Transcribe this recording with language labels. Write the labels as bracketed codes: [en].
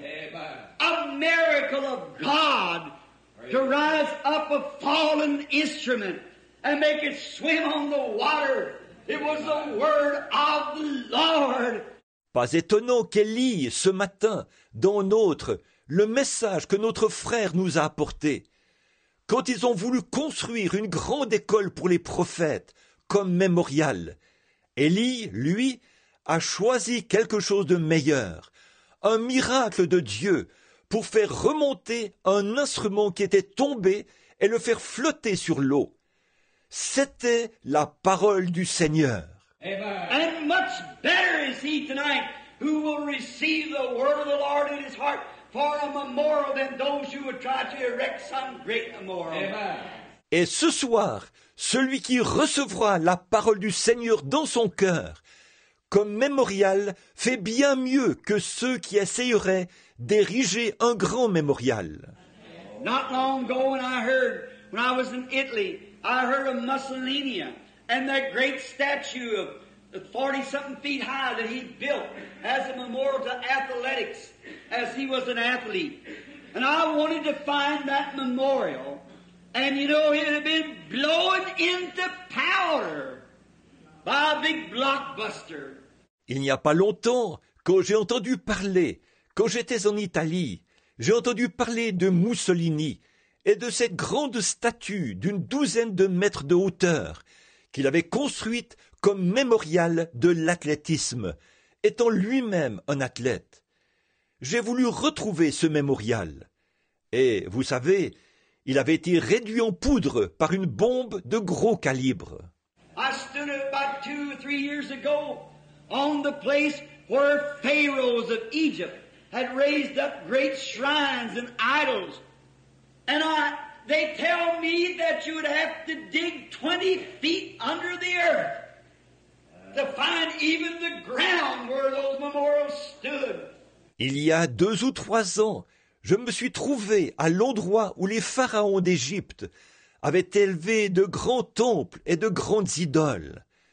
[en] Amen. A miracle of God Praise to rise up a fallen instrument and make it swim on the water. It was the word of the Lord. [fr] Pas étonnant qu'elle lie ce matin dans notre le message que notre frère nous a apporté. Quand ils ont voulu construire une grande école pour les prophètes comme mémorial, Élie, lui, a choisi quelque chose de meilleur, un miracle de Dieu pour faire remonter un instrument qui était tombé et le faire flotter sur l'eau. C'était la parole du Seigneur. [en] Amen. And much better is he tonight who will receive the word of the Lord in his heart. For a memorial than those who would try to erect some great memorial. Amen. [fr] Et ce soir, celui qui recevra la parole du Seigneur dans son cœur, comme mémorial, fait bien mieux que ceux qui essayeraient d'ériger un grand mémorial. [en] Not long ago when I was in Italy, I heard of Mussolini and that great statue of 40-something feet high that he built as a memorial to athletics, as he was an athlete. And I wanted to find that memorial, and you know, it had been blown into powder by a big blockbuster. [fr] Il n'y a pas longtemps, quand j'ai entendu parler, quand j'étais en Italie, j'ai entendu parler de Mussolini et de cette grande statue d'une douzaine de mètres de hauteur qu'il avait construite comme mémorial de l'athlétisme, étant lui-même un athlète. J'ai voulu retrouver ce mémorial. Et, vous savez, il avait été réduit en poudre par une bombe de gros calibre. [en] I stood about 2 or 3 years ago on the place where pharaohs of Egypt had raised up great shrines and idols. And they tell me that you would have to dig 20 feet under the earth to find even the ground where those memorials stood. [fr] Il y a 2 ou 3 ans, je me suis trouvé à l'endroit où les pharaons d'Égypte avaient élevé de grands temples et de grandes idoles.